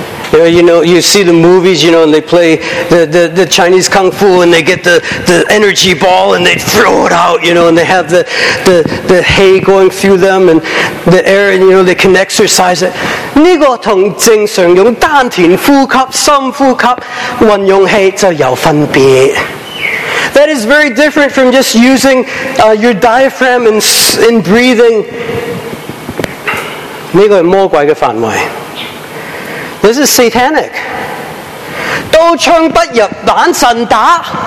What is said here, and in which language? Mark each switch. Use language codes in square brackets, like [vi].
[en] You know, you see the movies, you know, and they play the Chinese Kung Fu and they get the energy ball and they throw it out, you know, and they have the hay going through them and the air, and you know, they can exercise it. [zh] 这个和正常用丹田呼吸、深呼吸、运用气就有分别。 [en] That is very different from just using your diaphragm in breathing. [zh] 这个是魔鬼的范围。 [en] This is satanic. [zh] 刀枪不入，眼神打。